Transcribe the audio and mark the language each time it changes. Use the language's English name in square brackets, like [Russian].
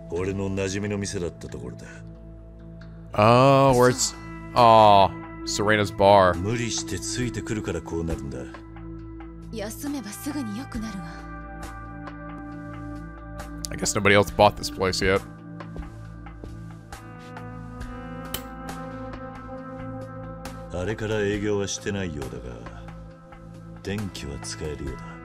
[Japanese] 俺の馴染みの店だったところだ。 [English] Oh, where it's... Aw... Serena's bar. [Japanese] 無理してついてくるからこうなるんだ。休めばすぐに良くなるわ。 [English] I guess nobody else bought this place yet. [Japanese] あれから営業はしてないようだが、電気は使えるようだ。